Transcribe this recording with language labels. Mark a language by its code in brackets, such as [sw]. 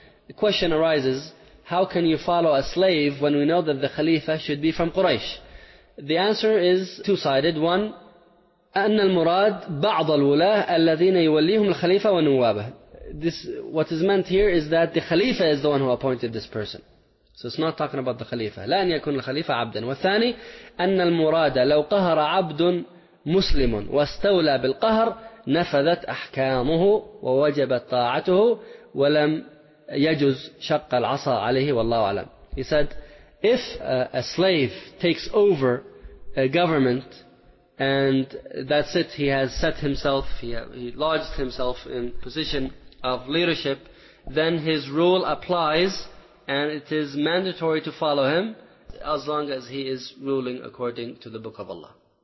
[en] The question arises, how can you follow a slave when we know that the Khalifa should be from Quraysh? The answer is two-sided. One, [ar] أَنَّ الْمُرَادْ بَعْضَ الْوُلَاهِ الَّذِينَ يُوَلِّيهُمُ الْخَلِيفَ وَالنُّوَابَةِ. [en] What is meant here is that the Khalifa is the one who appointed this person. So it's not talking about the Khalifa. [ar] لا أن يكون الخليفة عبدا. والثاني أن المرادة لو قهر عبد مسلم واستولى بالقهر نفذت أحكامه ووجبت طاعته ولم يجز شق العصا عليه والله أعلم. [en] He said, if a slave takes over a government and that's it, he has set himself, he lodged himself in position of leadership, then his rule applies and it is mandatory to follow him as long as he is ruling according to the book of Allah.